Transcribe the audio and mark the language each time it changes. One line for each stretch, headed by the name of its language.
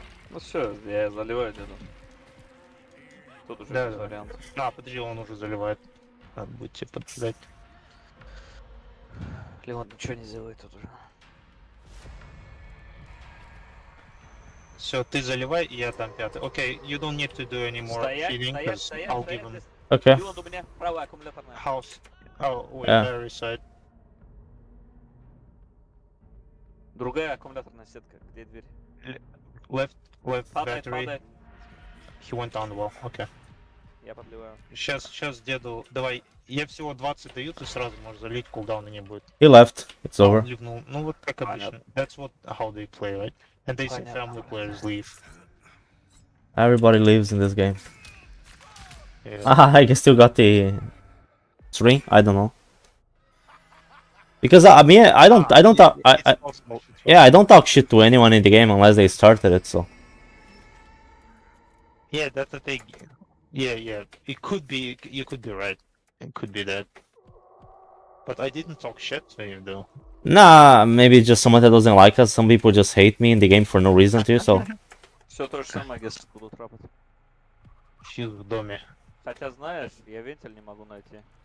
Russian: Ну все, я заливаю где-то. Тут уже да, вариант. Да, подожди, он уже заливает. Надо будет тебе подождать. Леон ничего не сделает тут уже. Все, ты заливай, я там пятый. Окей,
English: okay, you don't need to do any more healing, because I'll give him. Okay.
Russian: Леон, у меня правая аккумуляторная.
English: House. Oh, wait, yeah. Very side.
Russian: Другая аккумуляторная сетка. Где дверь?
English: Left battery.
Russian: Падает.
English: He went down the wall, okay.
Russian: Я подливаю. Сейчас деду. Давай. Я всего 20 даю, ты сразу можешь залить, кулдауна не будет.
English: He left. It's over.
Russian: Ливнул. Ну вот как обычно.
English: That's what how they play, right? And they say family players leave. Everybody leaves in this game. Yeah. Ah, I still got the string? I don't know. Because I mean I don't talk shit to anyone in the game unless they started it, so. Yeah, that's the thing. Yeah. It could be, you could be right. It could be that. But I didn't talk shit to you, though. Nah, maybe just someone that doesn't like us. Some people just hate me in the game for no reason, too, so.
Russian: Все то же самое,
English: I guess,
Russian: буду трапать. Фьюз в доме. Хотя, знаешь, я вентиль не могу найти.